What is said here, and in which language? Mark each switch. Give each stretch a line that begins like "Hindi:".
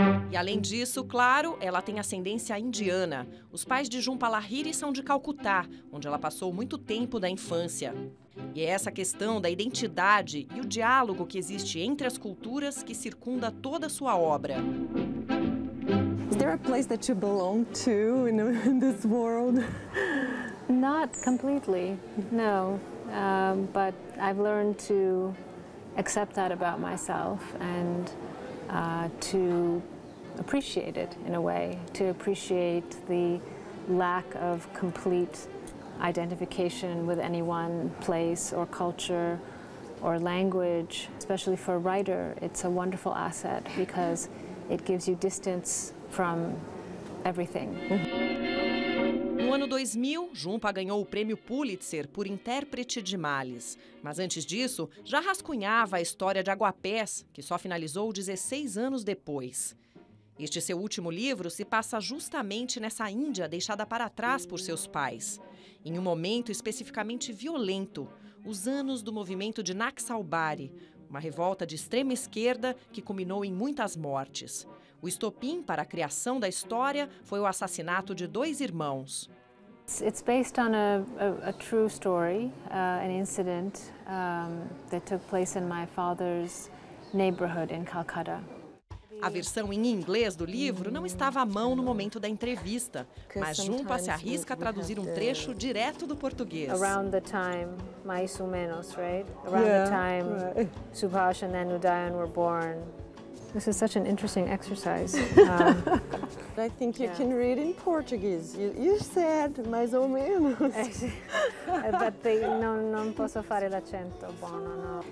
Portuguese: E além disso, claro, ela tem ascendência indiana. Os pais de Jhumpa Lahiri são de Calcutá, onde ela passou muito tempo da infância. E é essa questão da identidade e o diálogo que existe entre as culturas que circunda toda a sua obra.
English: Is there a place that you belong to in this world? Not completely. No. But I've learned to accept that about myself and to appreciate it in a way, to appreciate the lack of complete identification with any one place or culture or language. Especially for a writer, it's a wonderful asset because it gives you distance from everything.
Portuguese: No ano 2000, Jhumpa ganhou o prêmio Pulitzer por Intérprete de Males. Mas antes disso, já rascunhava a história de Aguapés, que só finalizou 16 anos depois. Este seu último livro se passa justamente nessa Índia deixada para trás por seus pais. Em um momento especificamente violento, os anos do movimento de Naxalbari, uma revolta de extrema esquerda que culminou em muitas mortes. O estopim para a criação da história foi o assassinato de dois irmãos.
English: It's based on a true story, an incident that took place in my father's neighborhood in Calcutta.
Portuguese: A versão em inglês do livro não estava à mão no momento da entrevista, mas Jhumpa se arrisca a traduzir um trecho direto do português.
English: Around the time,
Portuguese: mais ou menos,
English: right? Around the time Subhash and then Udayan were born. This is such an interesting exercise. I think you can read in Portuguese. You said
Portuguese: mais ou menos.
English: But they,
Italian: non posso fare l'accento, buono, no.